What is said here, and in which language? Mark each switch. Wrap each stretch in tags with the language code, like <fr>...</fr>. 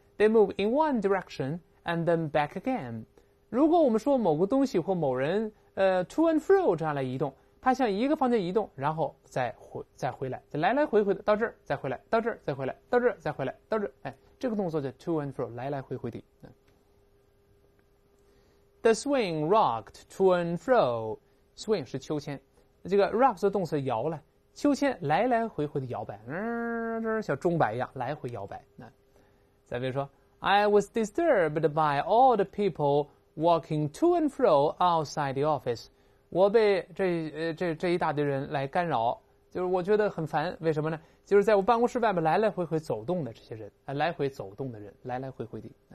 <en>They move in one direction and then back again.</en> <zh>如果我们说某个东西或某人</zh> <en>to and fro</en> <zh>这样来移动，它向一个方向移动，然后再回来，来来回回的到这儿，再回来，到这儿，再回来，到这儿，再回来，到这儿，这个动作叫 to and fro， 来来回回的。</zh> <en>The swing rocked to and fro.</en> <zh>Swing 是秋千，这个 rock 是动词摇了，秋千来来回回的摇摆，像钟摆一样来回摇摆。再比如说</zh> <en>I was disturbed by all the people walking to and fro outside the office.</en> <zh>我被这一大堆人来干扰，就是我觉得很烦。为什么呢？就是在我办公室外面来来回回走动的这些人，来回走动的人，来来回回的。</zh>